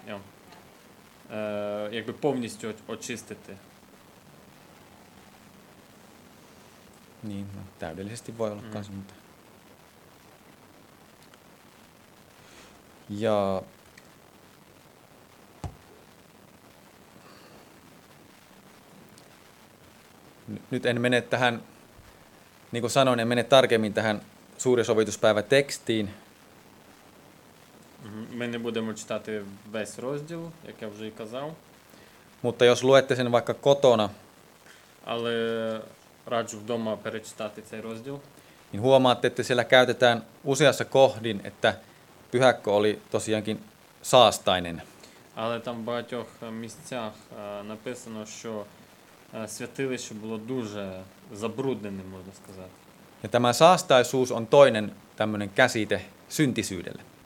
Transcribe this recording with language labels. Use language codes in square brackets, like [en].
[uk] Я якби повністю очистити. Ні, ну, [fi] täydellisesti voi olla kans, mutta. Ja nyt en mene tähän, niin kuin sanoin, en mene tarkemmin tähän suuri sovituspäivä tekstiin. [uk] Me не будемо читати весь розділ, як я вже казав. [fi] Mutta jos luette sen vaikka kotona, [uk] але раджу вдома перечитати цей розділ. [fi] Niin huomaatte, että siellä käytetään useassa kohdin, että pyhäkkö oli tosiaankin saastainen. [uk] Але там в багатьох місцях написано, що святилище було дуже забрудненим, можна сказати. [fi] Ja tämä saastaisuus on toinen tämmöinen käsite syntisyydelle.